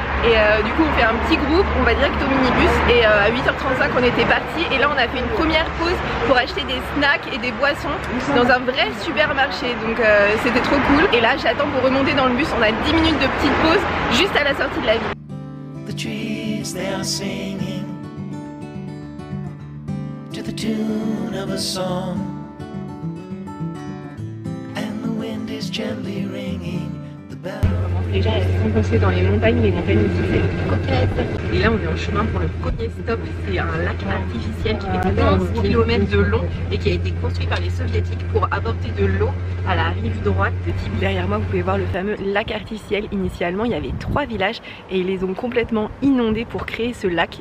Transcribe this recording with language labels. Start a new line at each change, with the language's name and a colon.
French: Et du coup on fait un petit groupe, on va direct au minibus et à 8h35 on était parti. Et là on a fait une première pause pour acheter des snacks et des boissons dans un vrai supermarché. Donc c'était trop cool. Et là j'attends pour remonter dans le bus, on a 10 minutes de petite pause juste à la sortie de la ville.
English: The trees, they are singing. To the tune of a song, and the wind is gently ringing the bell.
French: Déjà, elles sont foncées dans les montagnes ici, c'est coquette. Et là, on est en chemin pour le premier stop. C'est un lac artificiel qui fait 11 km de long et qui a été construit par les Soviétiques pour apporter de l'eau à la rive droite de Tbilissi. Derrière moi, vous pouvez voir le fameux lac artificiel. Initialement, il y avait 3 villages et ils les ont complètement inondés pour créer ce lac.